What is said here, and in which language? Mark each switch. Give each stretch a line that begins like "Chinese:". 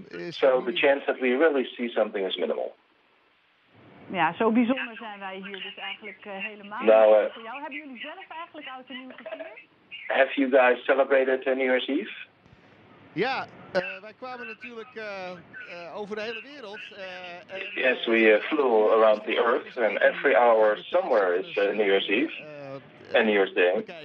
English: So the chance that we really see something is minimal.
Dutch: Ja, zo bijzonder zijn wij hier dus eigenlijk helemaal. Nou, voor jou, hebben jullie zelf eigenlijk oud en nieuw gevierd?
English: Have you guys celebrated New Year's Eve?
Dutch: Ja, wij kwamen natuurlijk over de hele wereld.
English: Yes, we flew around the Earth, and every hour somewhere is New Year's Eve, and New Year's Day.